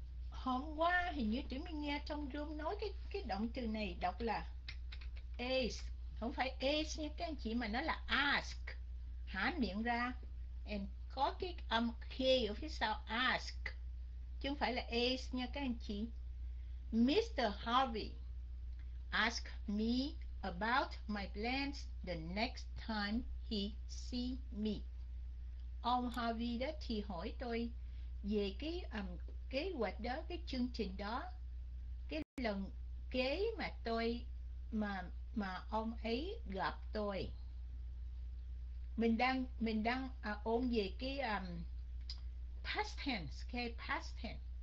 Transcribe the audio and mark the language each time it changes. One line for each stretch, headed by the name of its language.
Vietnamese: Hôm qua hình như chúng mình nghe trong room nói cái động từ này đọc là ace, không phải ace nha các anh chị, mà nó là ask. Há miệng ra and có cái âm k ở phía sau ask, chứ không phải là ace nha các anh chị.
English: Mr. Harvey ask me about my plans the next time he see me.
Vietnamese: Ông Harvey đó thì hỏi tôi về cái kế hoạch đó, cái chương trình đó, cái lần kế mà tôi mà ông ấy gặp tôi. Mình đang ôn về cái past tense, cái past tense.